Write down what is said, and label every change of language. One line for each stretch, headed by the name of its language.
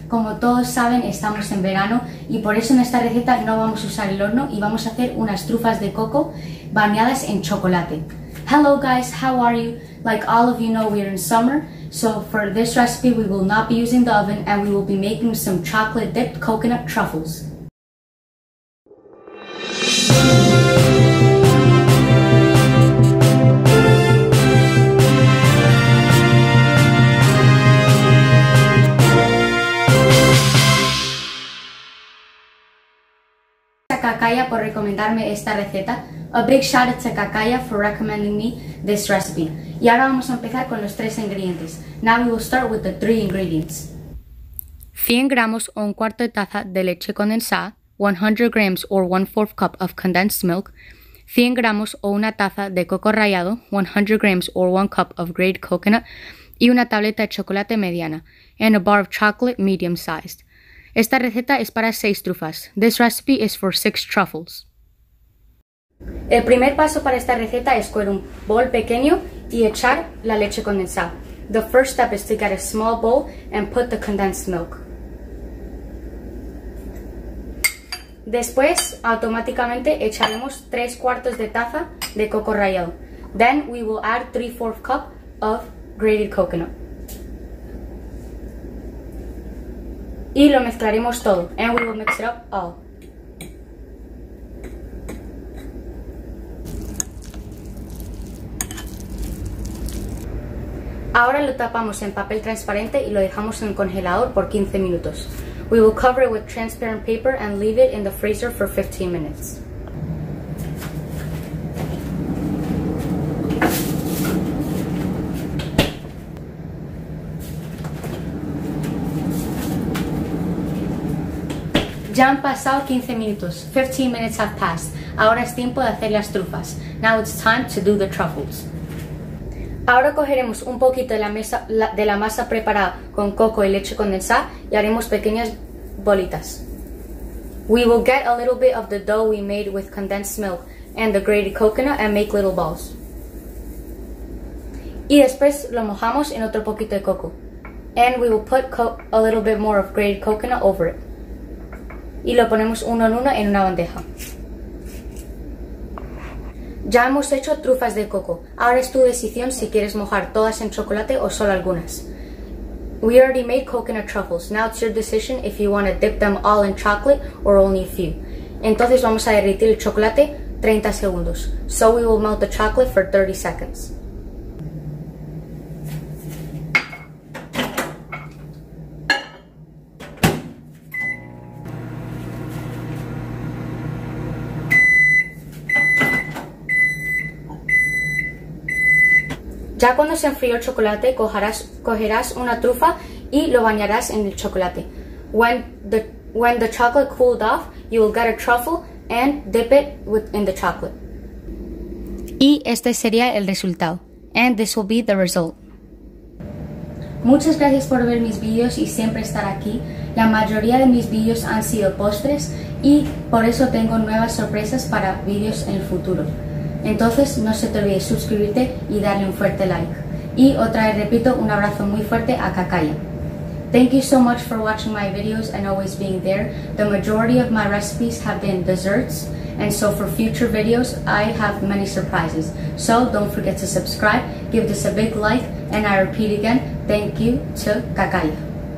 Spanish: Como todos saben, estamos en verano y por eso en esta receta no vamos a usar el horno y vamos a hacer unas trufas de coco bañadas en chocolate.
English: Hello guys, how are you? Like all of you know, we're in summer, so for this recipe we will not be using the oven and we will be making some chocolate dipped coconut truffles.
Spanish: Cacaya por recomendarme esta receta.
English: A big shout out to Cacaya for recommending me this recipe.
Spanish: Y ahora vamos a empezar con los tres ingredientes.
English: Now we will start with the three ingredients.
Spanish: 100 gramos o un cuarto de taza de leche condensada,
English: 100 grams or 1/4 cup of condensed milk,
Spanish: 100 gramos o una taza de coco rallado,
English: 100 grams or 1 cup of grated coconut,
Spanish: y una tableta de chocolate mediana,
English: and a bar of chocolate medium sized.
Spanish: Esta receta es para 6 trufas.
English: This recipe is for 6 truffles.
Spanish: El primer paso para esta receta es coger un bol pequeño y echar la leche condensada.
English: The first step is to get a small bowl and put the condensed milk.
Spanish: Después, automáticamente echaremos 3 cuartos de taza de coco rallado.
English: Then we will add 3/4 cup of grated coconut.
Spanish: Y lo mezclaremos todo.
English: And we will mix it up all.
Spanish: Ahora lo tapamos en papel transparente y lo dejamos en el congelador por 15 minutos.
English: We will cover it with transparent paper and leave it in the freezer for 15 minutes.
Spanish: Ya han pasado 15 minutos,
English: 15 minutes have passed.
Spanish: Ahora es tiempo de hacer las trufas.
English: Now it's time to do the truffles.
Spanish: Ahora cogeremos un poquito de la masa preparada con coco y leche condensada y haremos pequeñas bolitas.
English: We will get a little bit of the dough we made with condensed milk and the grated coconut and make little balls.
Spanish: Y después lo mojamos en otro poquito de coco.
English: And we will put a little bit more of grated coconut over it.
Spanish: Y lo ponemos uno en uno en una bandeja. Ya hemos hecho trufas de coco. Ahora es tu decisión si quieres mojar todas en chocolate o solo algunas.
English: We already made coconut truffles. Now it's your decision if you want to dip them all in chocolate or only a few.
Spanish: Entonces vamos a derretir el chocolate 30 segundos.
English: So we will melt the chocolate for 30 seconds.
Spanish: Ya cuando se enfríe el chocolate, cogerás una trufa y lo bañarás en el chocolate.
English: When the chocolate cooled off, you will get a truffle and dip it in the chocolate.
Spanish: Y este sería el resultado.
English: And this will be the result.
Spanish: Muchas gracias por ver mis videos y siempre estar aquí. La mayoría de mis videos han sido postres y por eso tengo nuevas sorpresas para videos en el futuro. Entonces, no se te olvide suscribirte y darle un fuerte like. Y otra vez repito, un abrazo muy fuerte a Cacaya.
English: Thank you so much for watching my videos and always being there. The majority of my recipes have been desserts, and so for future videos, I have many surprises. So don't forget to subscribe, give this a big like, and I repeat again, thank you to Cacaya.